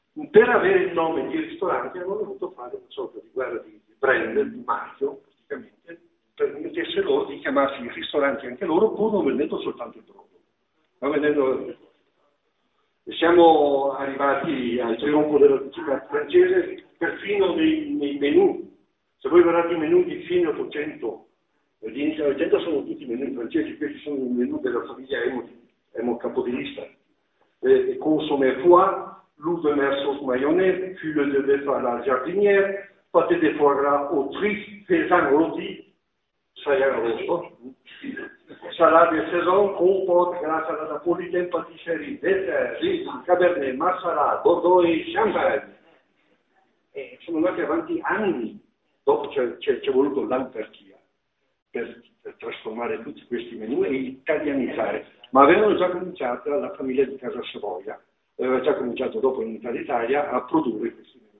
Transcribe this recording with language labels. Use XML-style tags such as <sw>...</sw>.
<it>Per avere il nome di ristorante hanno dovuto fare una sorta di guerra di brand, di marchio, praticamente, per permettesse loro di chiamarsi i ristoranti anche loro, pur non vendendo soltanto il brodo, ma vendendo le cose. Siamo arrivati al trionfo della cucina francese, perfino nei menù. Se voi guardate i menù di fine 800 e di inizio 800 sono tutti menù francesi, questi sono i menù della famiglia Emo capodilista.</it> <fr>Consomme foie, loup de mer sauce mayonnaise, filet de bœuf à la jardinière, pâté de foie gras au truffes, faisan rôti, saillant rosso, salade de saison, compote, grâce à la Napolitaine pâtisserie, dessert, cabernet, marsala, bordeaux et champagne.</fr> <it>E sono andati avanti anni, dopo c'è voluto l'anarchia per trasformare tutti questi menù e italianizzare. Ma avevano già cominciato la famiglia di Casa Savoia, aveva già cominciato dopo in Italia a produrre questi menù.</it>